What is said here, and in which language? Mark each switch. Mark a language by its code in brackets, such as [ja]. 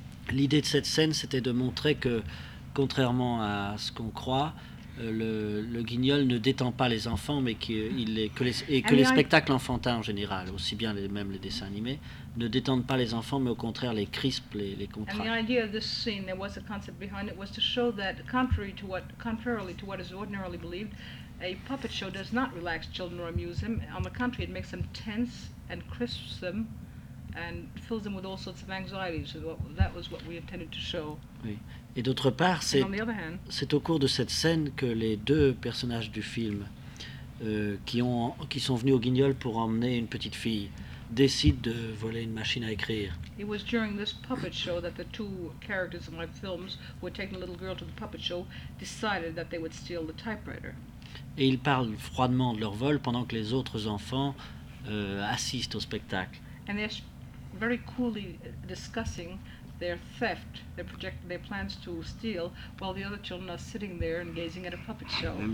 [fr] L'idée de cette scène, c'était de montrer que, contrairement à ce qu'on croit, le guignol ne détend pas les enfants, mais que les spectacles enfantins en général, aussi bien même les dessins animés, ne détendent pas les enfants, mais au contraire les crispent, les contractent. [en] And the idea of this scene, there was a concept behind it, was to show that contrarily to what is ordinarily believed, a puppet show does not relax children or amuse them. On the contrary, it makes them tense and crisps them, and fills them with all sorts of anxieties. So that was what we intended to show. [fr] Oui. Et d'autre part, c'est au cours de cette scène que les deux personnages du film, qui sont venus au guignol pour emmener une petite fille, décident de voler une machine à écrire. [en] It was during this puppet show that the two characters in my films, who had taken a little girl to the puppet show, decided that they would steal the typewriter. [fr] Et ils parlent froidement de leur vol pendant que les autres enfants assistent au spectacle. [en] And they're very coolly discussing their theft, their plans to steal, while the other children are sitting there and gazing at a puppet show.